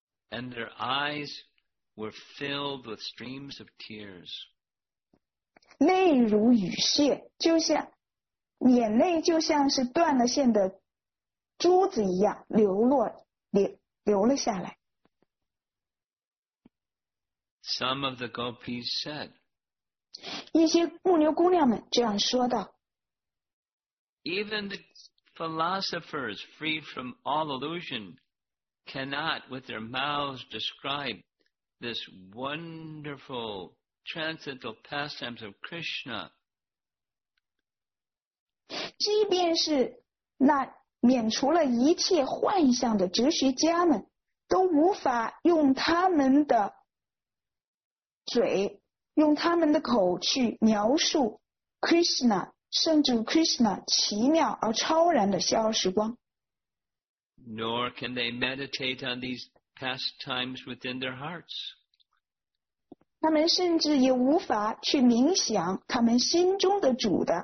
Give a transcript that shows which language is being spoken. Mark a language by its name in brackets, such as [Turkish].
[English] And their eyes were filled with streams of tears. [Chinese] 泪如雨泻，就像眼泪就像是断了线的珠子一样流了下来。 [English] Some of the gopis said, [Chinese] 一些牧牛姑娘们这样说道。 [English] Even the philosophers, free from all illusion, cannot with their mouths describe this wonderful transcendental pastimes of Krishna. [Chinese] 即便是那免除了一切幻象的哲学家们，都无法用他们的嘴，用他们的口去描述 Krishna。甚至 Krishna 奇妙而超然的逍遥时光。 [English] Nor can they meditate on these pastimes within their hearts. [Chinese] 他们甚至也无法去冥想他们心中的主。